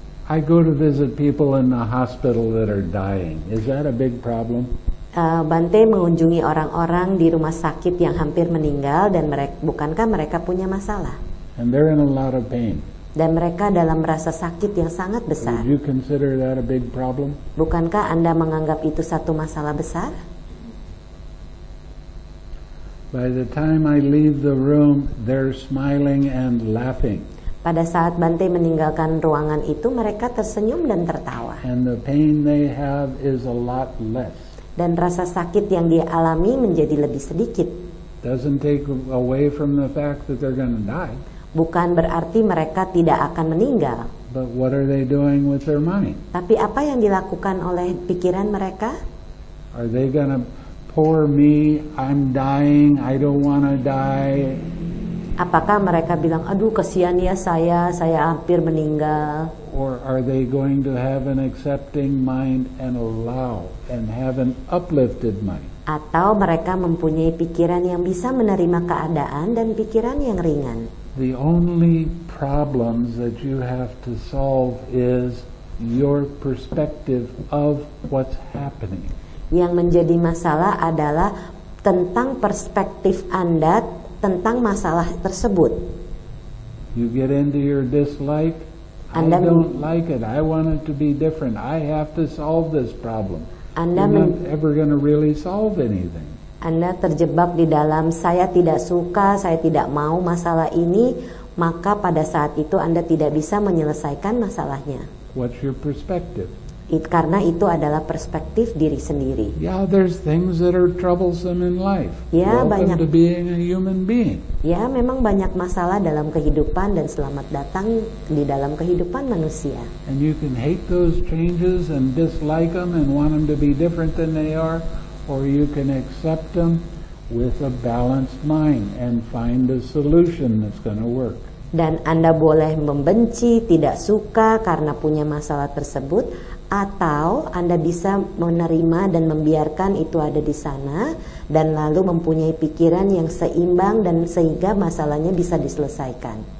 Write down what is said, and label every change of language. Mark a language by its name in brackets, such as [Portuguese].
[English] I go to visit people in the hospital that are dying. Is that a big problem? [Indonesian] Bante mengunjungi orang-orang di rumah sakit yang hampir meninggal dan mereka, bukankah mereka punya masalah? [English] And they're in a lot of pain. [Indonesian] Dan mereka dalam rasa sakit yang sangat besar. [English] Would you consider that a big problem? [Indonesian] Bukankah Anda menganggap itu satu masalah besar? [English] By the time I leave the room, they're smiling and laughing. [Indonesian] Pada saat Bante meninggalkan ruangan itu, mereka tersenyum dan tertawa. [English] And the pain they have is a lot less. [Indonesian] Dan rasa sakit yang dia alami menjadi lebih sedikit. [English] Doesn't take away from the fact that they're going to die. [Indonesian] Bukan berarti mereka tidak akan meninggal. [English] But what are they doing with their mind? [Indonesian] Tapi apa yang dilakukan oleh pikiran mereka? [English] Are they going to poor me? I'm dying. I don't want to die. [Indonesian] Apakah mereka bilang, aduh kasihan ya saya hampir meninggal? [English] Or are they going to have an accepting mind and allow and have an uplifted mind? [Indonesian] Atau mereka mempunyai pikiran yang bisa menerima keadaan dan pikiran yang ringan. [English] The only problems that you have to solve is your perspective of what's happening. [Indonesian] Yang menjadi masalah adalah tentang perspektif Anda tentang masalah tersebut. [English] You get into your dislike. Anda I don't like it. I want it to be different. I have to solve this problem. You're not ever going to really solve anything. [Indonesian] Anda terjebak di dalam saya tidak suka, saya tidak mau masalah ini, maka pada saat itu Anda tidak bisa menyelesaikan masalahnya. [English] What's your perspective? [Indonesian] Karena itu adalah perspektif diri sendiri. [English] Yeah, there's things that are troublesome in life. [Indonesian] Ya, [English] welcome [Indonesian] banyak, [English] to being a human being. [Indonesian] Ya, memang banyak masalah dalam kehidupan dan selamat datang di dalam kehidupan manusia. [English] And you can hate those changes and dislike them and want them to be different than they are, or you can accept them with a balanced mind and find a solution that's going to work. [Indonesian] Dan Anda boleh membenci, tidak suka karena punya masalah tersebut, atau Anda bisa menerima dan membiarkan itu ada di sana dan lalu mempunyai pikiran yang seimbang dan sehingga masalahnya bisa diselesaikan.